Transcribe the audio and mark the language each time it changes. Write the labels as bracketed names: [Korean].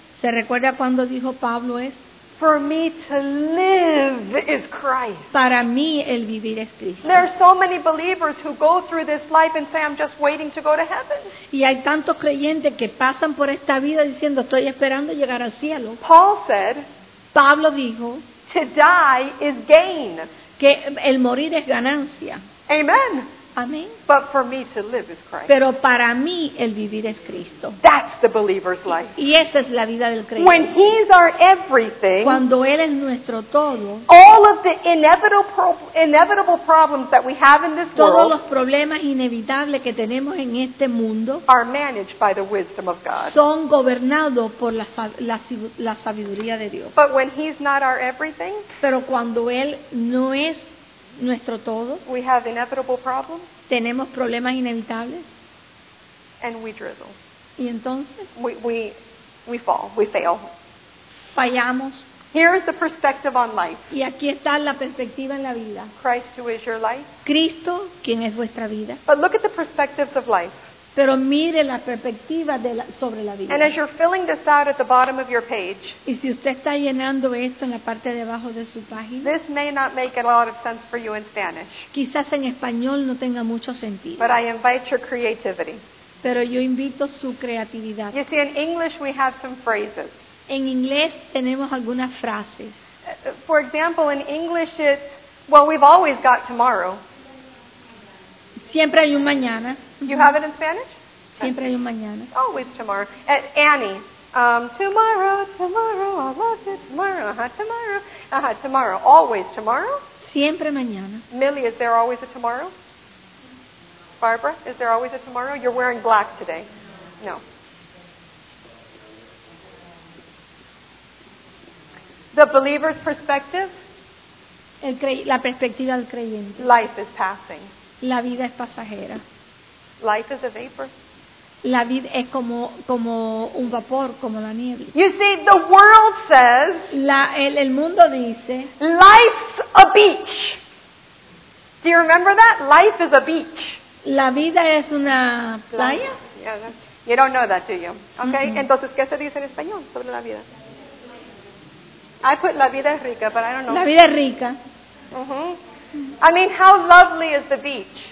[Spanish] ¿Se recuerda cuando dijo Pablo eso? [English] For me to live is Christ. [Spanish] Para mí el vivir es Cristo. [English] There are so many believers who go through this life and say, I'm just waiting to go to heaven. [Spanish] Y hay tantos creyentes que pasan por esta vida diciendo, estoy esperando llegar al cielo. [English] Paul said, [Spanish] Pablo dijo, [English] to die is gain. [Spanish] Que el morir es ganancia. [English] Amen. [Spanish] Amén. [English] But for me to live is Christ. [Spanish] Pero para mí el vivir es Cristo. [English] That's the believer's life. [Spanish] Y esa es la vida del creyente. [English] When he's our everything, [Spanish] cuando él es nuestro todo, [English] all of the inevitable problems that we have in this [Spanish] todos [English] world, [Spanish] los problemas inevitables que tenemos en este mundo, [English] are managed by the wisdom of God. [Spanish] Son gobernados por la sabiduría de Dios. [English] But when he's not our everything, [Spanish] pero cuando él no es nuestro todo, [English] we have inevitable problems, [Spanish] tenemos problemas inevitables, [English] and we drizzle. [Spanish] Y entonces [English] we fall, we fail, [Spanish] fallamos. [English] Here is the perspective on life. [Spanish] Y aquí está la perspectiva en la vida. [English] Christ, who is your life. [Spanish] Cristo, quien es vuestra vida. [English] But look at the perspectives of life. [Spanish] Pero mire la perspectiva de sobre la vida. [English] And as you're filling this out at the bottom of your page, [Spanish] y si usted está llenando esto en la parte de abajo de su página, [English] this may not make a lot of sense for you in Spanish. [Spanish] Quizás en español no tenga mucho sentido. [English] But I invite your creativity. [Spanish] Pero yo invito su creatividad. [English] You see, in English we have some phrases. [Spanish] En inglés tenemos algunas frases. [English] For example, in English it's, well, we've always got tomorrow. [Spanish] Siempre hay un mañana. [English] You have it in Spanish? [Spanish] Siempre hay un mañana. [English] Always tomorrow. Annie, tomorrow, I love it, tomorrow, tomorrow, always tomorrow? [Spanish] Siempre mañana. [English] Millie, is there always a tomorrow? Barbara, is there always a tomorrow? You're wearing black today. No. The believer's perspective? [Spanish] La perspectiva del creyente. [English] Life is passing. [Spanish] La vida es pasajera. [English] Life is a vapor. [Spanish] La vida es como un vapor, como la niebla. [English] You see, the world says. [Spanish] El mundo dice. [English] Life's a beach. Do you remember that? Life is a beach. [Spanish] La vida es una playa. [English] Yeah, you don't know that, do you? Okay. Uh-huh. [Spanish] Entonces, ¿qué se dice en español sobre la vida? [English] I put [Spanish] la vida es rica, [English] but I don't know. [Spanish] La vida es rica. [English] I mean, how lovely is the beach?